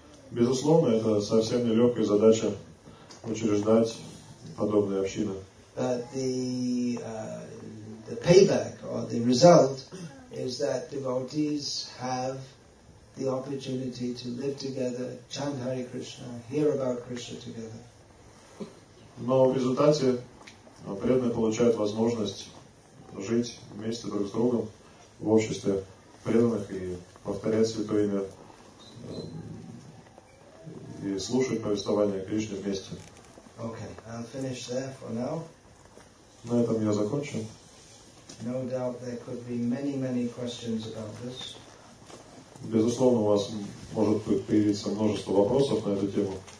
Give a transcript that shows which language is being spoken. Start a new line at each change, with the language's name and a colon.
Russian: Безусловно, это совсем нелегкая задача учреждать подобные общины.
English: But the payback or the result is that devotees have the opportunity to live together, chant Hare Krishna, hear about Krishna together.
Russian: Но в результате преданные получают возможность жить вместе друг с другом в обществе преданных и повторять святое имя и слушать повествование Кришны вместе.
English: Okay, I'll finish there for now.
Russian: На этом я закончу.
English: No doubt there could be many, many questions about this.
Russian: Безусловно, у вас может появиться множество вопросов на эту тему.